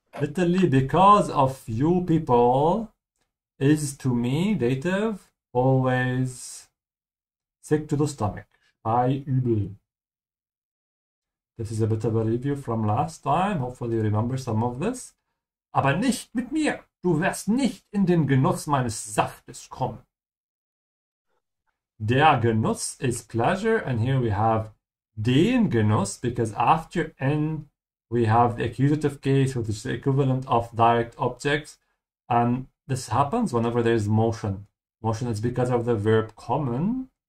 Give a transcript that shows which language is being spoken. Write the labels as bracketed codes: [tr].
[en] Literally, because of you people is to me, dative, always sick to the stomach. Speiübel. This is a bit of a review from last time. Hopefully you remember some of this. [de] Aber nicht mit mir. Du wirst nicht in den Genuss meines Saftes kommen. [en] Der Genuss is pleasure. And here we have den Genuss, because after N, we have the accusative case, which is the equivalent of direct objects. And this happens whenever there is motion. Motion is because of the verb kommen.